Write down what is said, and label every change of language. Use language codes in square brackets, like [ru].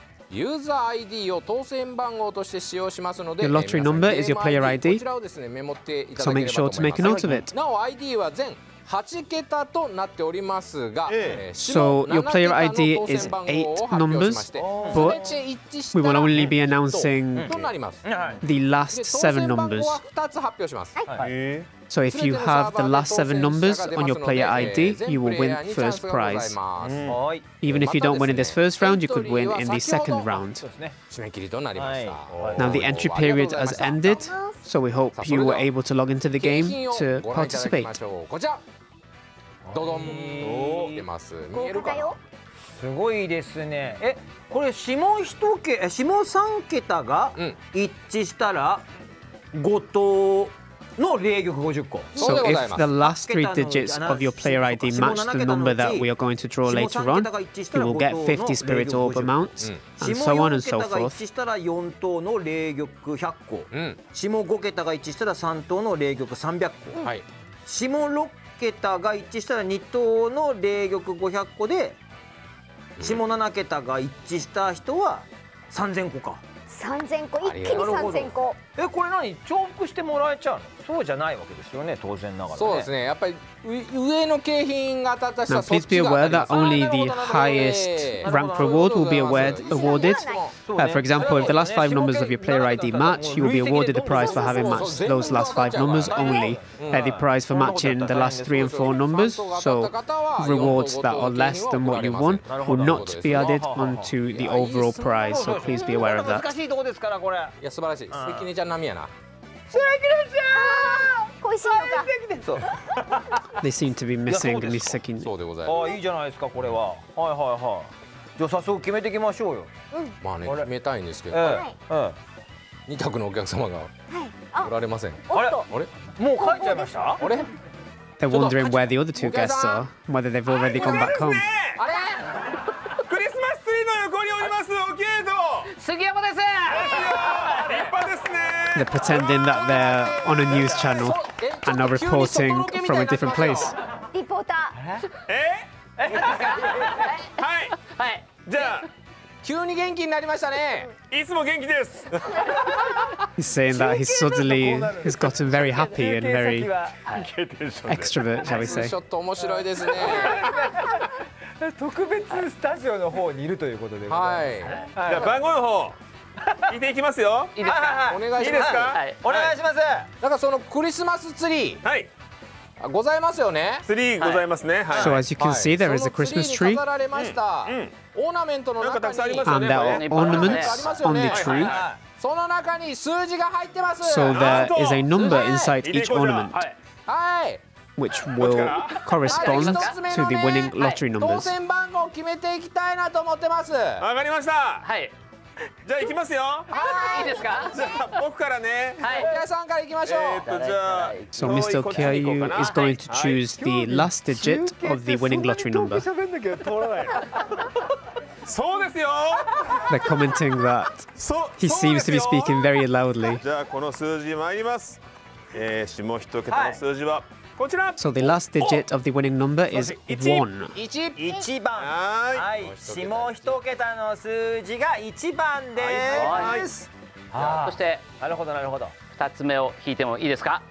[ja] ユーザー ID を当選番号として使用しますので、 [en] Your lottery number is your player ID. So make sure to make a note of it. [ja] なお ID は全8桁となっておりますが、 [en] So your player ID is 8 numbers, but we will only be announcing the last 7 numbers. [ja] 2つ発表します。 [en] So if you have the last 7 numbers on your player ID, you will win first prize. Even if you don't win in this first round, you could win in the second round. Now the entry period has ended, so we hope you were able to log into the game to participate. [ja] ドドン出ます。見えるかな。すごいですね。え、これ下3桁が一致したら5等の霊玉50個。 [en] So if the last three digits of your player ID match the number that we are going to draw later on, you will get 50 spirit orb amounts, and so on and so forth. [ja] 下4桁が一致したら4等の霊玉100個。うん、下5桁が一致したら3等の霊玉300個。うん、はい、下6桁が一致したら2等の霊玉500個で下7桁が一致した人は3000個か。 3000個、一気に3000個。え、これ何、重複してもらえちゃうの？そうじゃないわけですよね、当然ながら、ね、そうですね、やっぱり上の景品が当たった人はそっちが当たります。 [en] Please be aware that only the highest ranked reward will be awarded. For example, if the last five numbers of your player ID match, you will be awarded the prize for having matched those last five numbers only. The prize for matching the last three and four numbers, so rewards that are less than what you won, will not be added onto the overall prize. So please be aware of that. [ja] 難しいとこですから、これ。いや、素晴らしい。関根ちゃん並やな。関根ちゃん、恋しいのか。そう。 [en] They seem to be missing Miss Sekine. [ja] そうでございます。あ、いいじゃないですか、これは。はいはいはい。じゃあ早速決めていきましょうよ。うん。まあね、決めたいんですけど。はい。2択のお客様がおられません。あれ？あれ？もう帰っちゃいました？あれ？ [en] They're wondering where the other two guests are, whether they've already come back home. [ja] あれ？クリスマスツリーの横におります、オケード。杉山です。 [en] They're pretending that they're on a news channel and are reporting from a different place. Reporter. Eh? Hi. Hi. Then. [ja] 急に元気になりましたね。いつも元気です。 [en] He's saying that he's suddenly has gotten very happy and very extrovert, shall we say? [ja] ちょっと面白いですね。特別スタジオの方にいるということで。はい。じゃあ番号の方。聞いていきますよ。いいですか、はいはい、お願いします。いいですか、はい、お願いします、はい、だからそのクリスマスツリー、はい、ございますよね。ツリーございますね、 [en] はい、So as you can see there is a Christmas tree. [ja] そのツリーに飾られました、うんうん、オーナメントの中に [en] And there are ornaments on the tree. [ja] その中に数字が入ってます。 [en] So there is a number inside each ornament. [ja] はい、 [en] which will correspond to the winning lottery numbers. [ja] 当選番号を決めていきたいなと思ってます。わかりました、はい、じゃあ行きますよ。はい、いいですか。じゃあ僕からね。はい、皆さんから行きましょう。じゃあ、 [en] So Mr. Okiayu is going to choose the last digit of the winning lottery number. [ja] そうですよ。 [en] They're commenting that he seems to be speaking very loudly. [ja] じゃあこの数字参ります。下一桁の数字はこちら。 [en] So the last digit of the winning number is 1. [ja] 1番。はい。下一桁の数字が1番です。はい。そして、なるほどなるほど。 2つ目を引いてもいいですか。